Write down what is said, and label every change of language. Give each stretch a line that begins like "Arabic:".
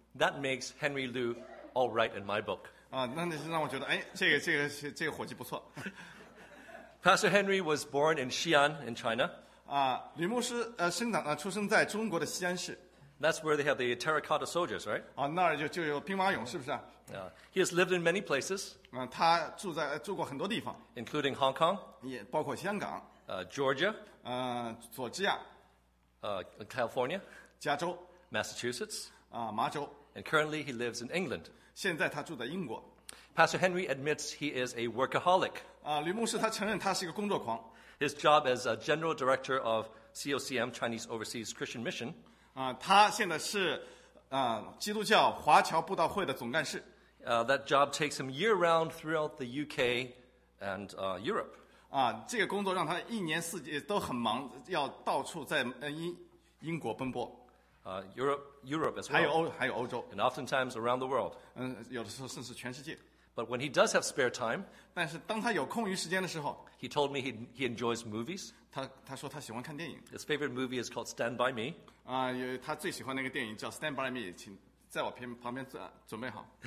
English: That makes Henry Liu all right in my book.
Chinese: 那那是让我觉得，哎，这个伙计不错。
English: Pastor Henry was born in Xi'an in China.
Chinese: 李牧师出生在中国的西安市。
English: That's where they have the terracotta soldiers, right?
Chinese: 那儿就有兵马俑，是不是？
English: He has lived in many places.
Chinese: 他住过很多地方。
English: Including Hong Kong.
Chinese: 也包括香港。
English: Georgia.
Chinese: 佐治亚。
English: California.
Chinese: 加州。
English: Massachusetts.
Chinese: 麻州。
English: And currently he lives in England.
Chinese: 现在他住在英国。
English: Pastor Henry admits he is a workaholic.
Chinese: 吕牧师他承认他是一个工作狂。
English: His job as a general director of COCM, Chinese Overseas Christian Mission.
Chinese: 他现在是基督教华侨布道会的总干事。
English: That job takes him year round throughout the UK and Europe.
Chinese: 这个工作让他一年四季都很忙，要到处在英国奔波。
English: Europe as well.
Chinese: 还有欧洲。
English: And oftentimes around the world.
Chinese: 有的时候甚至全世界。
English: But when he does have spare time,
Chinese: 但是当他有空余时间的时候
English: ，he told me he enjoys movies.
Chinese: 他说他喜欢看电影。
English: His favorite movie is called Stand by Me.
Chinese: 他最喜欢那个电影叫 Stand by Me， 请在我旁边准备好。